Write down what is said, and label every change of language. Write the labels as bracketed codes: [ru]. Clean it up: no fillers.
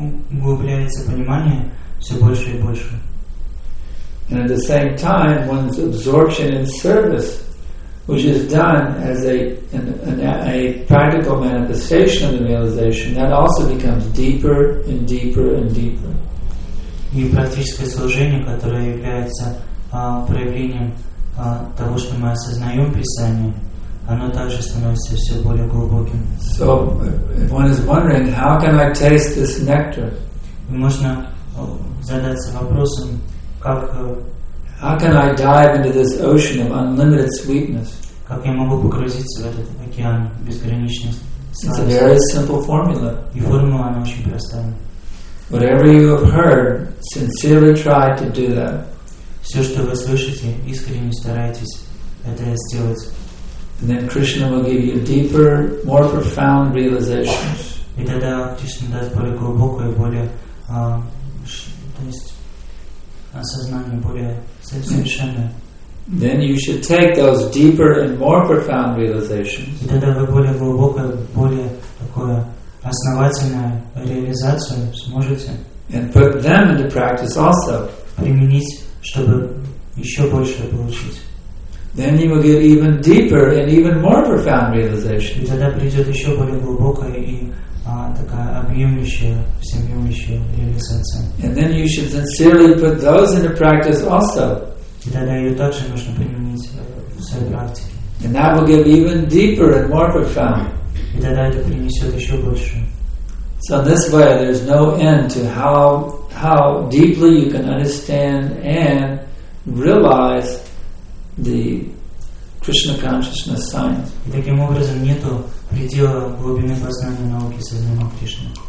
[ru] Углубляется понимание все больше и больше. [en] And at the same time, one's absorption in service, which is done as a practical manifestation of the realization, that also becomes deeper and deeper and deeper. [ru] И практическое служение, которое является проявлением того, что мы осознаем Писание, оно также становится все более глубоким. [en] So, if one is wondering, how can I taste this nectar? [ru] Можно задаться вопросом, как [en] how can I dive into this ocean of unlimited sweetness? [ru] Как я могу погрузиться в этот океан безграничной сладости? [en] It's a very simple formula. [ru] И формула она очень простая. [en] Whatever you have heard, sincerely try to do that. [ru] Все, что вы слышите, искренне старайтесь [en] And then Krishna will give you deeper, more profound realizations. [ru] И тогда Кришна даст более глубокое, более, то есть осознание более совершенное. [en] Then you should take those deeper and more profound realizations. [ru] И тогда вы более глубокое, более такое основательное реализацию сможете. [en] And put them into practice also. [ru] Применить, чтобы еще больше получить. [en] Then you will get even deeper and even more profound realization. [ru] Тогда придет еще более глубокая и такая объемнейшая, всеобъемлющая реализация. [en] And then you should sincerely put those into practice also. [ru] Тогда ее также нужно применить в своей практике. [en] And that will get even deeper and more profound. [ru] И тогда это принесет еще больше. [en] So this way, there's no end to how deeply you can understand and realize the Krishna consciousness science. [ru] И таким образом нету предела глубины познания науки сознания Кришны.